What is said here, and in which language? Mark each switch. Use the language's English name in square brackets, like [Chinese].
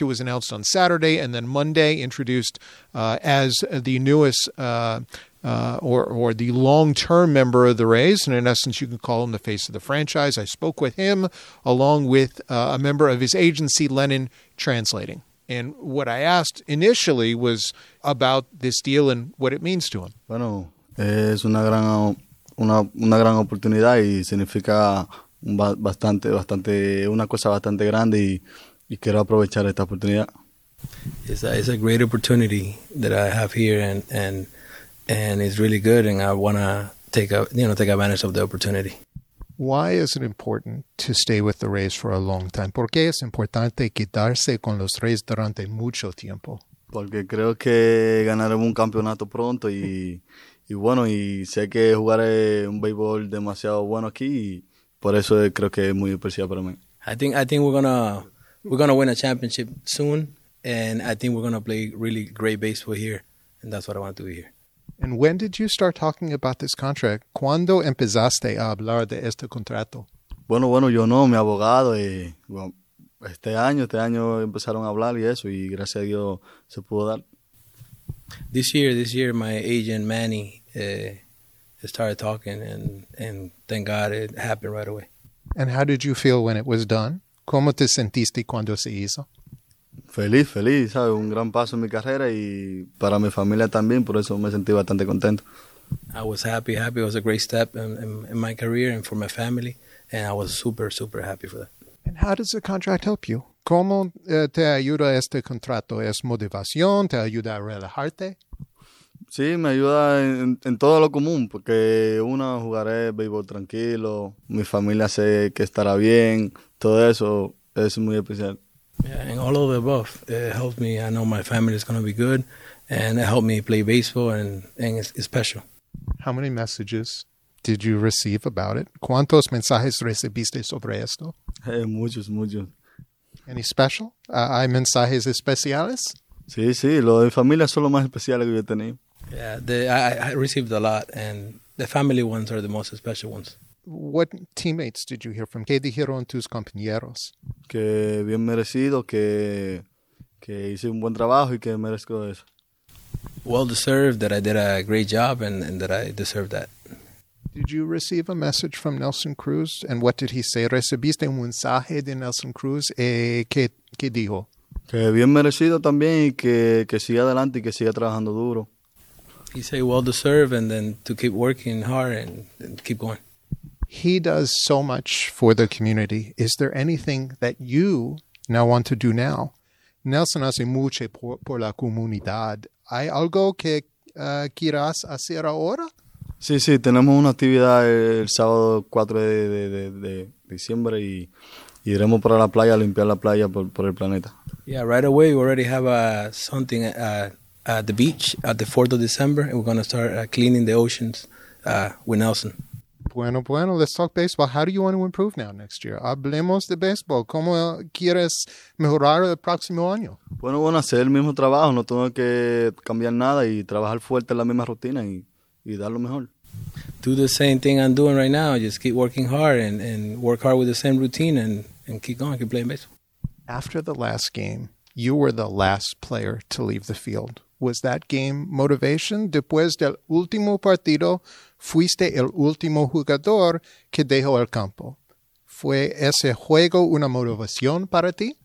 [English] It was announced on Saturday, and then Monday introduced as the newest or the long-term member of the Rays, and in essence, you can call him the face of the franchise. I spoke with him, along with a member of his agency, Lennon Translating. And what I asked initially was about this deal and what it means to him. [Spanish] Bueno, es una gran oportunidad y significa bastante grande y quiero aprovechar esta oportunidad. [English] It's a great opportunity that I have here and it's really good, and I want to take advantage of the opportunity. Why is it important to stay with the Rays for a long time? [Spanish] ¿Por qué es importante quedarse con los Rays durante mucho tiempo? Porque creo que ganaré un campeonato pronto y bueno, y sé que jugaré un béisbol demasiado bueno aquí y por eso creo que es muy especial para mí. [English] I think we're gonna win a championship soon, and I think we're gonna play really great baseball here, and that's what I want to be here. And when did you start talking about this contract? [Spanish] ¿Cuándo empezaste a hablar de este contrato? Bueno, yo no, mi abogado, este año empezaron a hablar y eso, y gracias a Dios se pudo dar. [English] This year, my agent Manny started talking, and thank God it happened right away. And how did you feel when it was done? [Spanish] ¿Cómo te sentiste cuando se hizo? Feliz, ¿sabes? Un gran paso en mi carrera y para mi familia también, por eso me sentí bastante contento. I was happy. It was a great step in my career and for my family, and I was super, super happy for that. [English] And how does the contract help you? [Spanish] ¿Cómo te ayuda este contrato? ¿Es motivación? ¿Te ayuda a relajarte? Sí, me ayuda en todo lo común, porque una, jugaré béisbol tranquilo, mi familia sé que estará bien, todo eso es muy especial. [English] Yeah, and all of the above, it helped me. I know my family is going to be good, and it helped me play baseball, and it's special. How many messages did you receive about it? [Spanish] ¿Cuántos mensajes recibiste sobre esto? Muchos. [English] Any special? [Spanish] ¿Hay mensajes especiales? Sí, lo de familia son los más especiales que yo he tenido. [English] Yeah, I received a lot, and the family ones are the most special ones. What teammates did you hear from? [Spanish] ¿Qué dijeron tus compañeros? Que bien merecido, que hice un buen trabajo y que merezco eso. [English] Well deserved, that I did a great job and that I deserve that. Did you receive a message from Nelson Cruz? And what did he say? [Spanish] ¿Recibiste un mensaje de Nelson Cruz? ¿Qué dijo? Que bien merecido también y que siga adelante y que siga trabajando duro. [English] He said well deserved, and then to keep working hard and keep going. He does so much for the community. Is there anything that you now want to do now? [Spanish] Nelson hace mucho por la comunidad. ¿Hay algo que quieras hacer ahora? Sí, sí, tenemos una actividad el sábado 4 de diciembre y iremos para la playa a limpiar la playa por el planeta. [English] Yeah, right away we already have something at the beach at the 4th of December and we're going to start cleaning the oceans with Nelson. [Spanish] Bueno, bueno, [English] let's talk baseball. How do you want to improve now next year? [Spanish] Hablemos de baseball. ¿Cómo quieres mejorar el próximo año? Bueno, bueno, hacer el mismo trabajo. No tengo que cambiar nada y trabajar fuerte en la misma rutina y dar lo mejor. [English] Do the same thing I'm doing right now. Just keep working hard and work hard with the same routine and keep going, keep playing baseball. After the last game, you were the last player to leave the field. Was that game motivation? [Spanish] Después del último partido, fuiste el último jugador que dejó el campo. ¿Fue ese juego una motivación para ti?